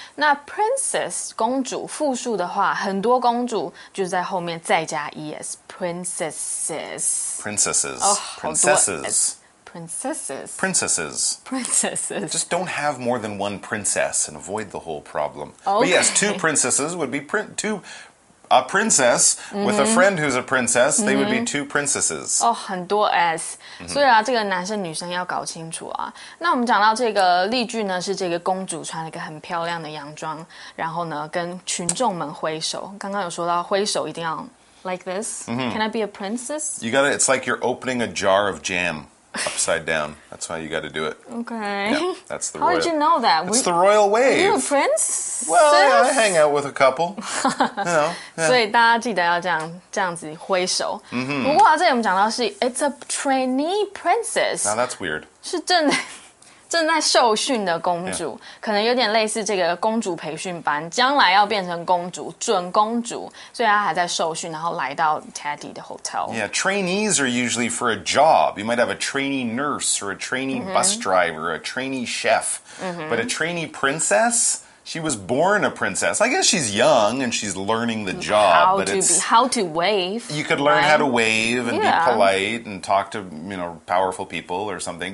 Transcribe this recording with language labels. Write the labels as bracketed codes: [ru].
[zh] 那 princess 公主复数的话，很多公主就在后面再加 [en] es, princesses. Just don't have more than one princess and avoid the whole problem. Okay. But yes, two princesses would be two. A princess with a friend who's a princess, they would be two princesses. [zh] 很多 S. 所以啊，这个男生女生要搞清楚啊。那我们讲到这个例句呢，是这个公主穿了一个很漂亮的洋装，然后呢，跟群众们挥手。刚刚有说到挥手一定要 [en] like this. Can I be a princess? You gotta, it's like you're opening a jar of jam. Upside down. That's why you got to do it. Okay. Yeah, that's the royal. How did you know that? It's the royal way. Are you a prince? Well, yeah, I hang out with a couple. [zh] So, 大家记得要这样子挥手。不过这里我们讲到是 [en] it's a trainee princess. Now that's weird. [zh] 是正在受训的公主，可能有点类似这个公主培训班，将来要变成公主，准公主，所以她还在受训，然后来到 Tati 的 hotel. [en] Yeah, trainees are usually for a job. You might have a trainee nurse or a trainee bus driver, a trainee chef. But a trainee princess, She was born a princess. I guess she's young and she's learning the job. How to wave. You could learn how to wave and be polite and talk to, you know, powerful people or something.